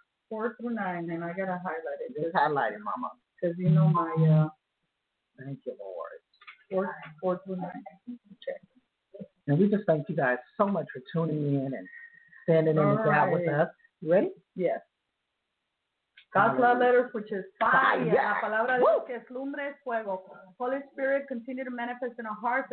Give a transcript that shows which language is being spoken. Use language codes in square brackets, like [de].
[en] 4 through 9. And I got to highlight it. Just highlight it, Mama. Because you know my. Thank you, Lord. 4 through 9. Okay. And we just thank you guys so much for tuning in and standing in the gap with us. You ready? Yes. God's love letters, which is fire. Fire. [es] La palabra de Dios que es lumbre es fuego. [en] Holy Spirit, continue to manifest in our hearts.